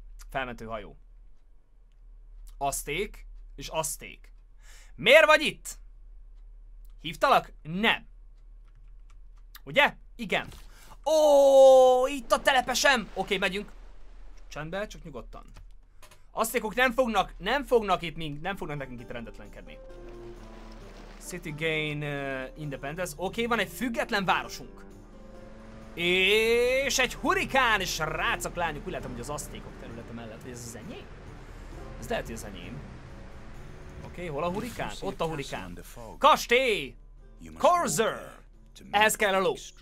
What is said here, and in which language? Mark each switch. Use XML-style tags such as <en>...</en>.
<hu>Felmentő hajó. Aszték, és aszték. Miért vagy itt? Hívtalak? Nem. Ugye? Igen. Ó, itt a telepesem! Oké, megyünk. Csendben, csak nyugodtan. A székok nem fognak itt, nem fognak nekünk itt rendetlenkedni.</hu> <en>City gain independence.</en> <hu>Oké, van egy független városunk. És egy hurikán, és srácok, lányok, úgy látom, hogy az asztékok területe mellett, hogy ez az enyém? Ez lehet, hogy az enyém. Oké, hol a hurikán? Ott a hurikán. Kastély! Corsair! Ehhez kell a ló.</hu>